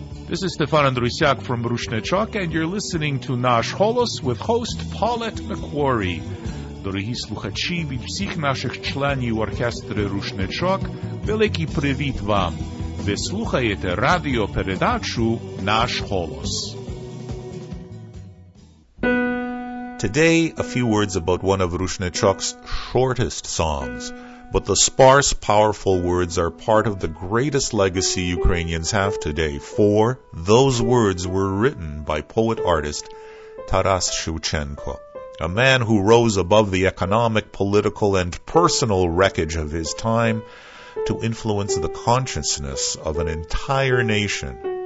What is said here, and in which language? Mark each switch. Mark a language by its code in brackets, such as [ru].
[en] This is Stefan Andrusiak from Rushnechok, and you're listening to Nash Holos with host Paulette McQuarrie. [uk] Дорогі слухачі, від всіх наших членів оркестри Рушничок, великий привіт вам! Ви слухаєте радіопередачу «Наш голос». [en] Today, a few words about one of Рушничок's shortest songs. But the sparse, powerful words are part of the greatest legacy Ukrainians have today, for those words were written by poet-artist Taras Shevchenko, a man who rose above the economic, political, and personal wreckage of his time to influence the consciousness of an entire nation.